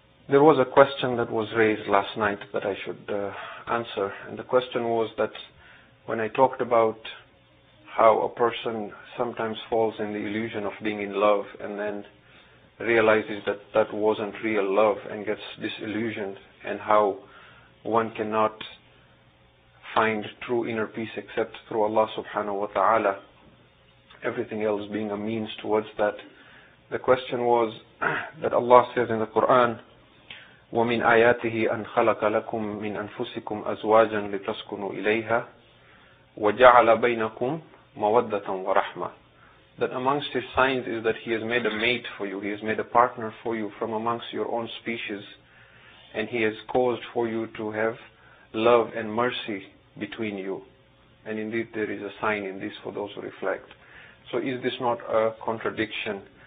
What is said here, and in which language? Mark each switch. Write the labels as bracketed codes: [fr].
[en] There was a question that was raised last night that I should answer, and the question was that when I talked about how a person sometimes falls in the illusion of being in love and then realizes that that wasn't real love and gets disillusioned, and how one cannot find true inner peace except through Allah subhanahu wa ta'ala, everything else being a means towards that. The question was that Allah says in the Quran, [ar] وَمِنْ آيَاتِهِ أَنْ خَلَقَ لَكُمْ مِنْ أَنْفُسِكُمْ أَزْوَاجًا لِتَسْكُنُوا إِلَيْهَا وَجَعَلَ بَيْنَكُمْ مَوَدَّةً وَرَحْمَةً. [en] That amongst his signs is that he has made a mate for you, he has made a partner for you from amongst your own species, and he has caused for you to have love and mercy between you. And indeed there is a sign in this for those who reflect. So is this not a contradiction?